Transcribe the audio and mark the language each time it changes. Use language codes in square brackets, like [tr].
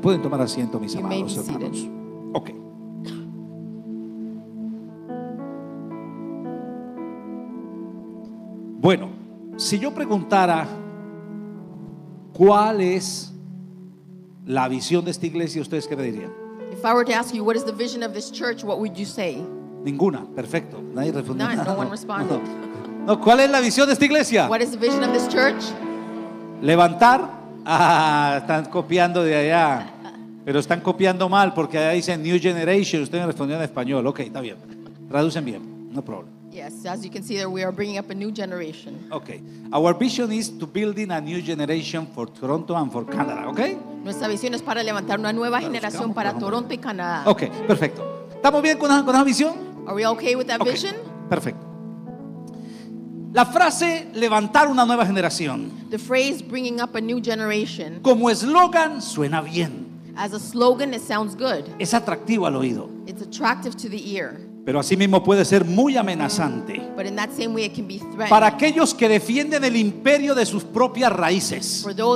[es] Pueden tomar asiento, mis amados hermanos. Ok. Bueno, si yo preguntara cuál es la visión de esta iglesia, ¿ustedes qué me dirían? [en] If I were to ask you what is the vision of this church, what would you say? [es] Ninguna, perfecto. Nadie respondió. [en] No, no one responded. [es] No, ¿cuál es la visión de esta iglesia? [en] What is the vision of this church? [es] Levantar. Ah, están copiando de allá. Pero están copiando mal porque allá dicen New Generation. Usted me respondió en español. Ok, está bien. Traducen bien. [en] No problem. Yes, as you can see there, we are bringing up a new generation. Okay. Our vision is to building a new generation for Toronto and for Canada, okay? [es] Nuestra visión es para levantar una nueva generación para Toronto y Canadá. Okay, perfecto. ¿Estamos bien con esa visión? [en] Are we okay with that vision? [es] Perfecto. La frase levantar una nueva generación. [en] The phrase bringing up a new generation. [es] Como eslogan suena bien. [en] As a slogan it sounds good. [es] Es atractivo al oído. [en] It's attractive to the ear. [es] Pero asimismo puede ser muy amenazante way, para aquellos que defienden el imperio de sus propias raíces.